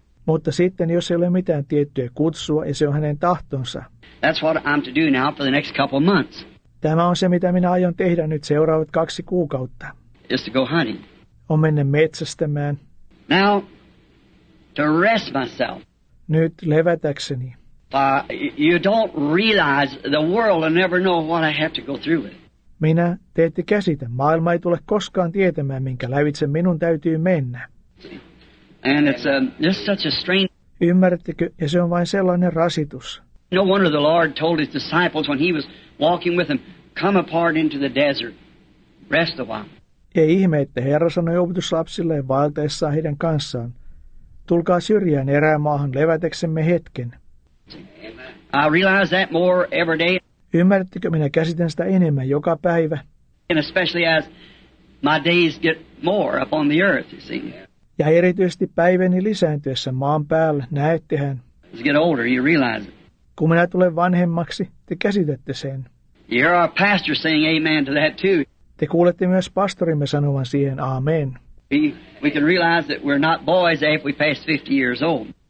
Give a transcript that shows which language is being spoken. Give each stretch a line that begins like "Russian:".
Finnish: Mutta sitten, jos ei ole mitään tiettyä kutsua, ja se on hänen tahtonsa.
English: That's what I'm to do now for the next couple months.
Finnish: Tämä on se, mitä minä aion tehdä nyt seuraavat 2 kuukautta.
English: Is to go hunting.
Finnish: On mennä metsästämään.
English: Now, to rest myself.
Finnish: Nyt levätäkseni.
English: You don't realize the world will never know what I have to go through with.
Finnish: Minä, te ette käsitä. Maailma ei tule koskaan tietämään, minkä lävitse minun täytyy mennä.
English: And it's just such a strain.
Finnish: Ymmärrättekö? Ja se on vain sellainen rasitus.
English: No wonder the Lord told his disciples when he was walking with them, come apart into the desert, rest a while.
Finnish: Ei ihme, että Herra sanoi opetuslapsilleen vaeltaessaan heidän kanssaan, tulkaa syrjään erämaahan levätäksemme hetken.
English: I realize that more every day.
Finnish: Ymmärrättekö, minä käsitän sitä enemmän joka päivä.
English: And especially as my days get more upon the earth, you see.
Finnish: Ja erityisesti päiväni lisääntyessä maan päällä, näettehän.
English: As you get older, you realize it.
Finnish: Kun minä tulen vanhemmaksi, te käsitätte sen.
English: You hear our pastor saying amen to that too.
Finnish: Te kuulette myös pastorimme sanovan siihen amen.
English: We can realize that we're not boys if we pass 50 years old.